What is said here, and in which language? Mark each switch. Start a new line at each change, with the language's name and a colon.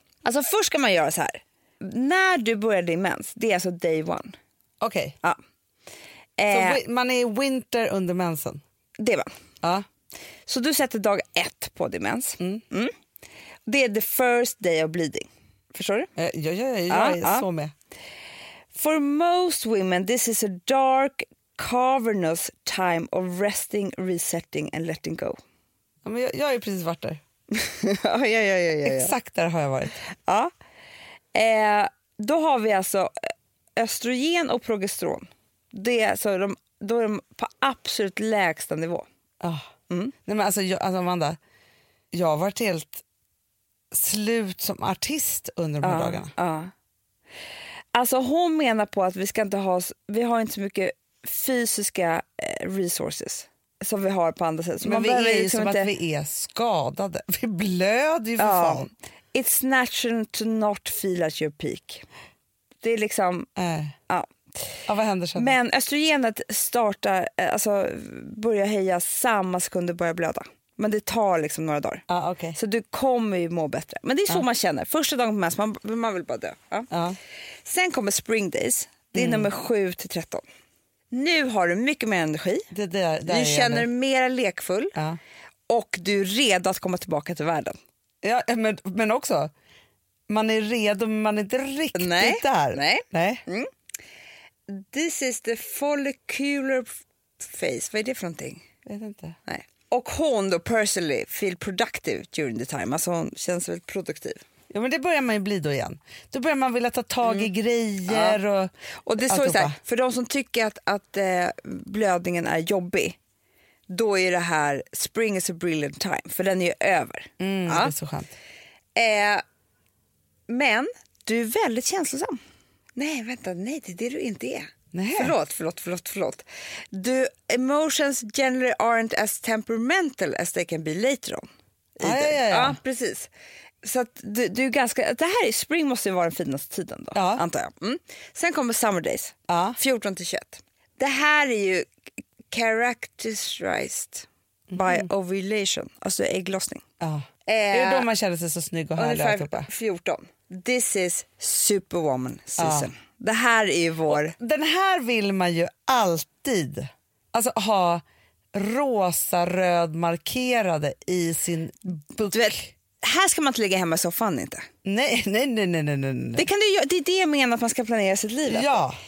Swedish: Alltså först ska man göra så här. När du börjar din mens, det är alltså day one. Okej. Okay. Ja. Så man är i winter under mensen? Det var. Ja. Så du sätter dag 1 på din mens. Mm. Mm. Det är
English: the first day of bleeding.
Swedish: Förstår du? Jag är så med.
English: For most women, this is a dark, cavernous time of resting, resetting and letting go.
Swedish: Ja, men jag är precis vart där. ja. Exakt där har jag varit. Ja. Då har vi alltså östrogen och progesteron. Det är så de är på absolut lägsta nivå. Oh. Mm. Nej, men alltså Amanda, jag har varit helt slut som artist under de här dagarna. Alltså hon menar på att vi har inte så mycket fysiska resources som vi har på andra sätt. Men vi är ju som inte att vi är skadade. Vi blöder ju för fan.
English: It's natural to not feel at your peak.
Swedish: Det är liksom Vad händer sen? Men östrogenet startar, alltså börjar heja samma sekund du börjar blöda. Men det tar liksom några dagar. Okay. Så du kommer ju må bättre. Men det är så man känner. Första dagen på mens, man vill bara dö. Sen kommer spring days. Det är nummer 7-13. Nu har du mycket mer energi. Det du känner mer lekfull. Och du är redo att komma tillbaka till världen. Ja, men också man är redo, men man är inte riktigt där. Nej. Mm.
English: This is the follicular phase.
Swedish: Vad är det för någonting? Vet inte. Nej. Och hon då
English: personally feel productive during the time.
Swedish: Alltså hon känns väldigt produktiv. Ja, men det börjar man ju bli då igen. Då börjar man vilja ta tag i grejer. Ja. Och det står så här, för de som tycker att blödningen är jobbig, då är det här
English: spring is a brilliant time,
Swedish: för den är ju över. Mm, ja. Det är så skönt. Men du är väldigt känslosam. Nej, vänta, nej, det är det du inte är. Nej. Förlåt.
English: Du, emotions generally aren't as temperamental as they can be later on.
Swedish: Ja, precis. Så att du är ganska... Det här är... Spring måste ju vara den finaste tiden då, antar jag. Mm. Sen kommer summer days. Ja. 14-21. Det här är ju
English: characterized by ovulation.
Swedish: Alltså ägglossning. Ja. Det är då man känner sig så snygg och härlig. 14.
English: This is superwoman season.
Swedish: Ja. Det här är ju vår... Och den här vill man ju alltid alltså ha... rosa röd markerade i sin bok. Du vet, här ska man inte ligga hemma i soffan inte. Nej. Det kan du, det är det jag menar att man ska planera sitt liv. Ja.